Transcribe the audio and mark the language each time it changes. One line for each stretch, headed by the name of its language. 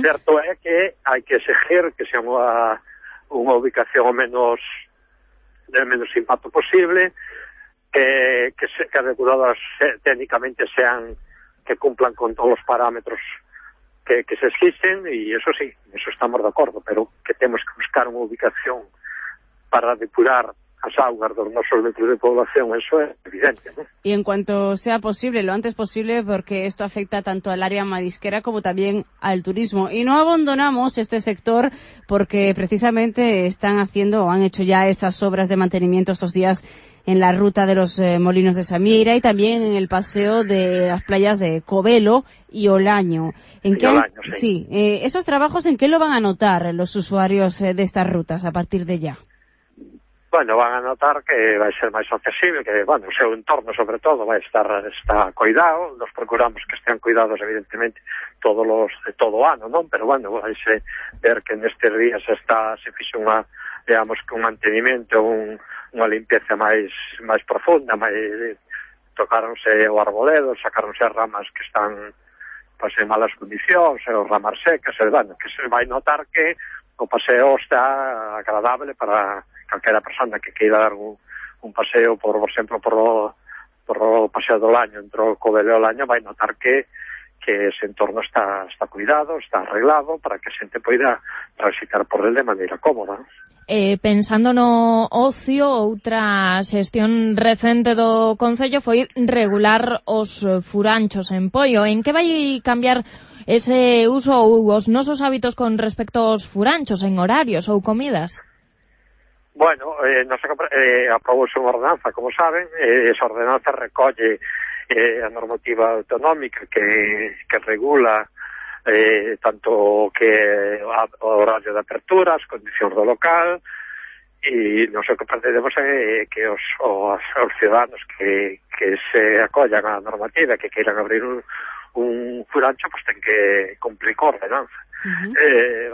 Galician: Certo é que hai que exigir que sea unha ubicación o menos impacto posible, que as depuradoras técnicamente sean que cumplan con todos os parámetros que se exigen, e eso sí, eso estamos de acordo, pero que temos que buscar unha ubicación para depurar as augas dos nosos núcleos de población, eso é evidente, ¿no?
Spanish: Y en cuanto sea posible, lo antes posible, porque esto afecta tanto al área marisquera como también al turismo. Y no abandonamos este sector porque precisamente están haciendo o han hecho ya esas obras de mantenimiento estos días en la ruta de los molinos de Samira y también en el paseo de las playas de Covelo y Olaño. Sí. ¿Esos trabajos en qué lo van a notar los usuarios de estas rutas a partir de ya? Bueno, van a notar que va a ser más accesible, que bueno,
Galician: o seu entorno
Spanish: sobre todo va a estar está cuidado, nos procuramos que estén cuidados evidentemente todo ano, ¿no?
Galician: Pero bueno,
Spanish: va a ver que
Galician: en estes días se fixe un mantenimiento, unha limpieza máis profunda, tocáronse o arboledo, sacáronse as ramas que están pues, en malas condicións, as ramas secas, bueno, que se vai notar que o paseo está agradable para calquera persona que queira dar un paseo, por exemplo, por o paseo do Laño, entre o Covelo e o Laño, vai notar que ese entorno está cuidado, está arreglado, para que a xente poida transitar por él de maneira cómoda. Pensando no ocio, outra xestión recente do Concello foi regular os furanchos en Poio. En que vai cambiar ese uso ou os nosos hábitos con respecto aos furanchos en horarios ou comidas? Bueno, aprobouse unha ordenanza, como saben, esa ordenanza recolle a normativa autonómica que regula tanto que o horario de apertura, as condicións do local, e nos pretendemos que os ciudadanos que se acollan á normativa, que queiran abrir un furancho, pues ten que cumplir con ordenanza. Uh-huh.